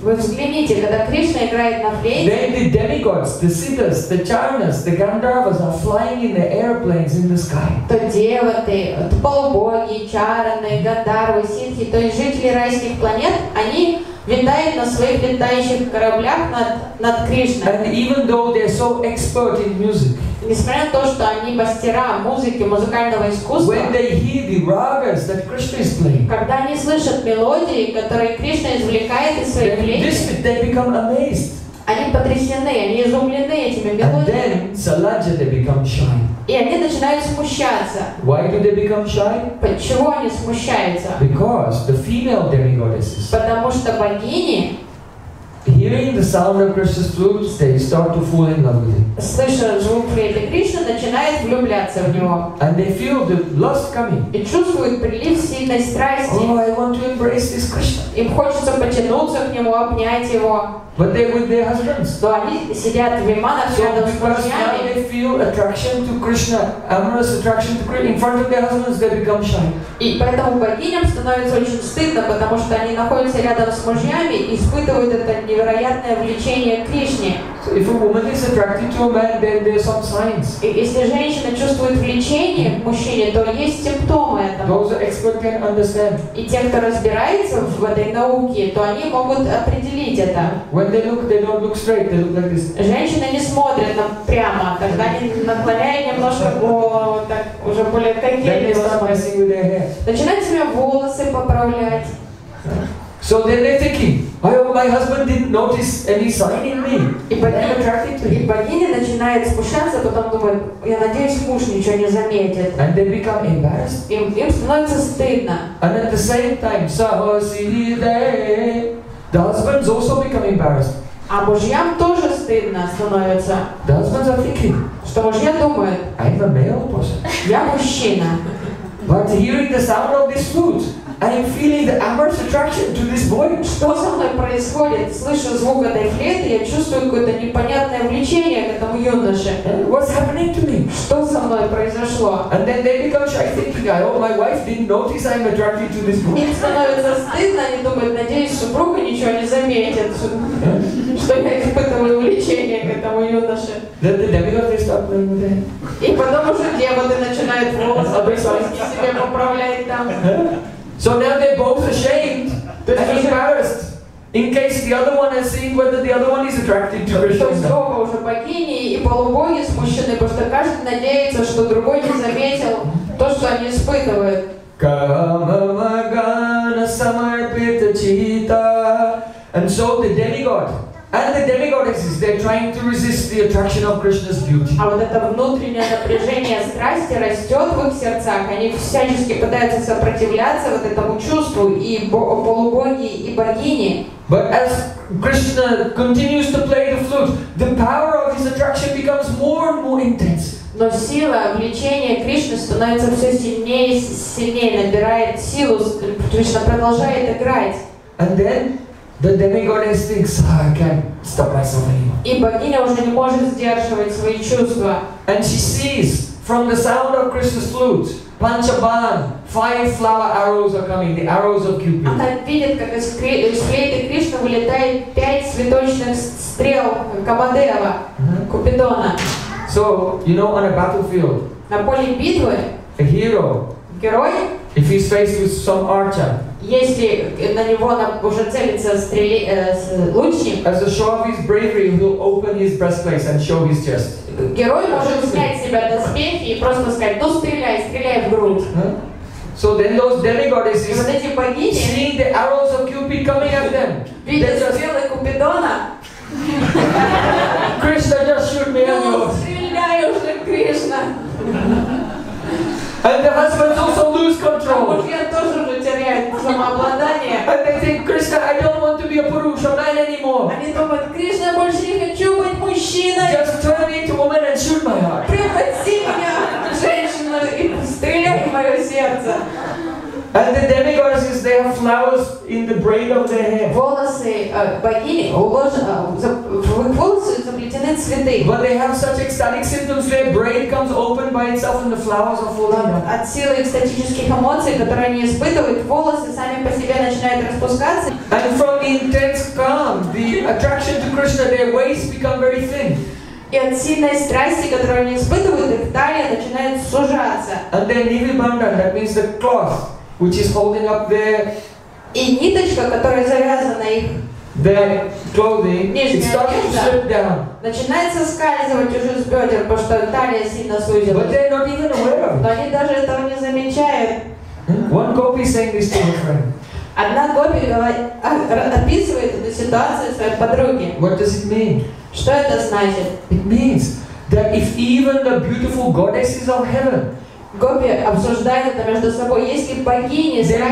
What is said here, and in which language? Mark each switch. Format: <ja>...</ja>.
<ru>вы взгляните, когда Кришна играет на флейте,</ru> <en>then the demigods, the siddhas, the charanas, the gandharvas are flying in the airplanes in the sky.</en> <ru>То деваты, то полубоги, чараны, гандхарвы, сиддхи, то есть жители райских планет, они летает на своих летающих кораблях над Кришной.</ru> <en>And even though they're so expert in music,</en> <ru>несмотря на то, что они мастера музыки, музыкального искусства,</ru> <en>when they hear the ragas that Krishna is playing,</en> <ru>когда они слышат мелодии, которые Кришна извлекает из своих</ru> <en>лет, they become amazed.</en> <ru>Они потрясены, они изумлены этими мелодиями.</ru> <en>And then Salaja, they become shy.</en> <ru>И они начинают смущаться.</ru> <en>Why do they become shy?</en> <ru>Почему они смущаются?</ru> <en>Because the female demigoddesses.</en> <ru>Потому что богини.</ru> <en>Hearing the sound of Krishna's flute, they start to fall in love with him.</en> <ru>Слыша звук флейты Кришны, начинают влюбляться в него.</ru> <en>And they feel the lust coming.</en> <ru>И чувствуют прилив сильной страсти.</ru> <en>Oh, I want to embrace this Krishna.</en> <ru>Им хочется потянуться к нему, обнять его.</ru> <en>But they're with their husbands.</en> <ru>Но они сидят в виманах рядом с мужьями.</ru> <en>They feel attraction to Krishna, amorous attraction to Krishna. In front of their husbands, they become shy.</en> <ru>И поэтому богиням становится очень стыдно, потому что они находятся рядом с мужьями и испытывают это невероятное влечение к Кришне.</ru> <en>So if a woman is attracted to a man, then there's some signs.</en> <ru>И если женщина чувствует влечение к мужчине, то есть симптомы этого.</ru> <en>Those experts can understand.</en> <ru>И те, кто разбирается в этой науке, то они могут определить это.</ru> <en>When they don't look straight, they look like this.</en> <ru>Женщины не смотрят на прямо, тогда они наклоняют немножко голову, так уже более такие. Начинают себе волосы поправлять.</ru> <en>So then they're thinking, my husband didn't notice any sign in me.</en> <ru>И потом и богиня начинает смущаться, потом думает, я надеюсь, муж ничего не заметит.</ru> <en>And they become embarrassed.</en> <ru>Им становится стыдно.</ru> <en>And at the same time, the husband's also become embarrassed.</en> <ru>А мужьям тоже стыдно становится.</ru> <en>The husband's thinking.</en> <ru>Что мужья думают?</ru> <en>I'm a male person.</en> <ru>Я мужчина.</ru> <en>But hearing the sound of this flute, I am feeling the amorous attraction to this boy.</en> <ru>Что со мной происходит? Слышу звук этой флейты, я чувствую какое-то непонятное влечение к этому юноше.</ru> <en>And what's happening to me?</en> <ru>Что со мной произошло?</ru> <en>And then they become shy, thinking, oh, my wife didn't notice I'm attracted to this boy.</en> <ru>Им становится стыдно, они думают, надеюсь, супруга ничего не заметит, что я испытываю влечение к этому юноше.</ru> <en>Then the demigods start playing with him.</en> <ru>И потом уже демоны начинают волосы обрисовывать, себе поправлять там.</ru> <en>So now they're both ashamed and embarrassed in case the other one has seen whether the other one is attracted to Krishna.</en> <ru>То есть оба уже богини и полубоги смущены, потому что каждый надеется, что другой не заметил то, что они испытывают.</ru> <sa>Kamamagana samarpita chita.</sa> <en>And so the demigod and the demigoddesses, they're trying to resist the attraction of Krishna's beauty.</en> <ru>А вот это внутреннее напряжение страсти растет в их сердцах. Они всячески пытаются сопротивляться вот этому чувству и полубоги и богини.</ru> <en>But as Krishna continues to play the flute, the power of his attraction becomes more and more intense.</en> <ru>Но сила влечения Кришны становится все сильнее и сильнее, набирает силу. Кришна продолжает играть.</ru> <en>And then the demigoddess thinks, oh, I can't stop myself anymore.</en> <ru>И богиня уже не может сдерживать свои чувства.</ru> <en>And she sees from the sound of Krishna's flute, Panchabana, five flower arrows are coming, the arrows of Cupid.</en> <ru>Она видит, как из флейты Кришны вылетает пять цветочных стрел Камадева, Купидона.</ru> <en>So, you know, on a battlefield,</en> <ru>на поле битвы,</ru> <en>a hero,</en> <ru>герой,</ru> <en>if he's faced with some archer,</en> <ru>если на него уже целится лучник,</ru> <en>as a show of his bravery, he'll open his breastplate and show his chest.</en> <ru>Герой может снять себя доспехи и просто сказать: "Ну стреляй, стреляй в грудь."</ru> <en>So then those demigoddesses,</en> <ru>вот эти богини,</ru> <en>seeing the arrows of Cupid coming at them,</en> <ru>видя стрелы Купидона,</ru> <en>Krishna just shoot me arrows.</en> <ru>Ну стреляй уже, Кришна.</ru> <en>And the husbands also lose control.</en> <ru>А мужья тоже уже теряют самообладание.</ru> <en>And they think, Krishna, I don't want to be a Purusha man anymore.</en> <ru>Они думают, Кришна, больше не хочу быть мужчиной.</ru> <en>Just turn me into a woman and shoot my heart.</en> <ru>Превратите меня в женщину и стреляй в мое сердце.</ru> <en>And the demigods, they have flowers in the braid of their hair.</en> <ru>Волосы богини уложены, волосы заплетены цветы.</ru> <en>But they have such ecstatic symptoms, their braid comes open by itself and the flowers are falling out.</en> <ru>От силы экстатических эмоций, которые они испытывают, волосы сами по себе начинают распускаться.</ru> <en>And from the intense calm, the attraction to Krishna, their waist become very thin.</en> <ru>И от сильной страсти, которую они испытывают, их талия начинает сужаться.</ru> <en>And then nirbandhan, that means the cloth, which is holding up their,</en> <ru>и ниточка, которая завязана их,</ru> <en>their clothing, it starts to slip down.</en> <ru>Начинает соскальзывать уже с бедер, потому что талия сильно сузилась.</ru> <en>But they're not even aware of.</en> <ru>Но они даже этого не замечают.</ru> <en>One gopi saying this to a friend.</en> <ru>Одна гопи описывает эту ситуацию своей подруге.</ru> <en>What does it mean?</en> <ru>Что это значит?</ru> <en>It means that if even the beautiful goddesses of heaven,</en> <ru>гопи обсуждают это между собой, если богини с</ru>